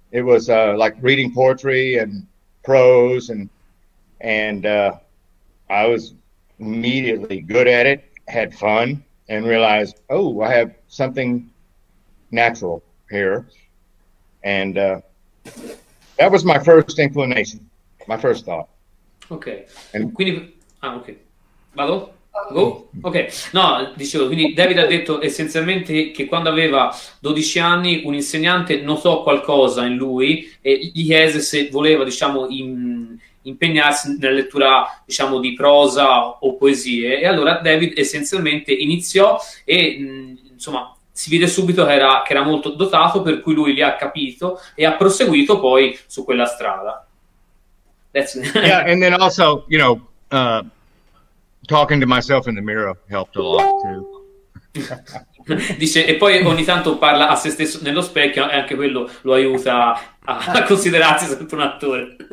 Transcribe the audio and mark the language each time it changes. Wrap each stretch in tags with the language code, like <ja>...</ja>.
<en>It was like reading poetry and prose, and I was immediately good at it, had fun, and realized, oh, I have something natural here. And that was my first inclination, my first thought.</en> <it>Ok, quindi. Ok, vado?</it> <en>Go?</en> <it>Ok, no, dicevo, quindi David ha detto essenzialmente che quando aveva 12 anni un insegnante notò qualcosa in lui e gli chiese se voleva, diciamo, impegnarsi nella lettura, diciamo, di prosa o poesie. E allora David essenzialmente iniziò e, insomma, si vide subito che era molto dotato, per cui lui li ha capito e ha proseguito poi su quella strada.</it> <en>Yeah, and then also, talking to myself in the mirror helped a lot too.</en> <it>Dice, e poi ogni tanto parla a se stesso nello specchio e anche quello lo aiuta a considerarsi sempre un attore.</it>